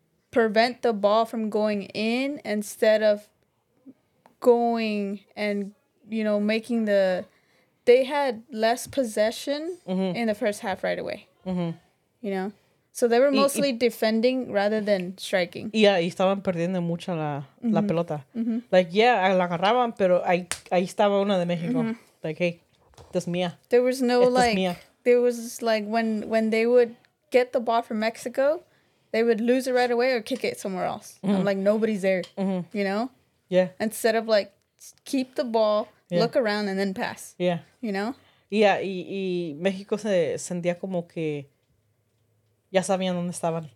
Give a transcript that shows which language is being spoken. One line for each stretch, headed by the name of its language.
English: prevent the ball from going in instead of going and, you know, making the... They had less possession mm-hmm. in the first half right away. Mm-hmm. You know? So they were mostly defending rather than striking. Yeah,
Spanish: y estaban perdiendo mucho la, mm-hmm. la pelota. Mm-hmm.
English: Like, yeah,
Spanish: la agarraban, pero ahí estaba una de México. Mm-hmm.
English: Like, hey,
Spanish: esta es mía.
English: There was no, esta like... There was, like, when they would get the ball from Mexico... They would lose it right away or kick it somewhere else. Mm-hmm. I'm like, nobody's there, mm-hmm. you know? Yeah. Instead of, like, keep the ball, look around, and then pass. Yeah. You know? Yeah,
Spanish: y México se sentía como que ya sabían dónde estaban.